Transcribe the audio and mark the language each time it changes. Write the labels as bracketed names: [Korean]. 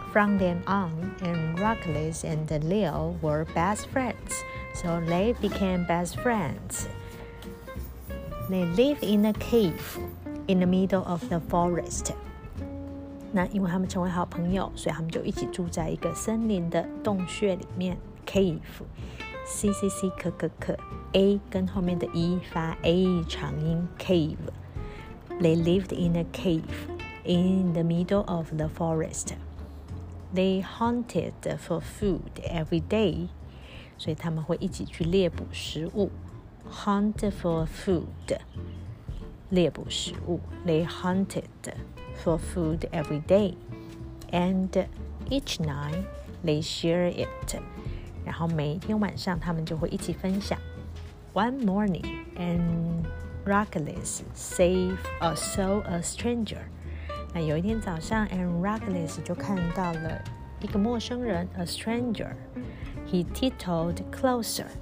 [English] From then on, Androcles and Leo were best friends, so they became best friends. They live in a cave in the middle of the forest. [Chinese] 那因为他们成为好朋友，所以他们就一起住在一个森林的洞穴里面 ，cave。 C C C 可可可 ，A 跟后面的 E 发 A 长音 ，cave。 [English] They lived in a cave. In the middle of the forest, they hunted for food every day. [Chinese] 所以他们会一起去猎捕食物。 [English] Hunt for food, [Chinese] 猎捕食物。 [English] They hunted for food every day, and each night they share it. [Chinese] 然后每天晚上他们就会一起分享。 [English] One morning, Androcles saw a stranger. [Chinese] 那有一天早上 Androcles 就看到了一个陌生人 [English] A stranger. He tiptoed closer.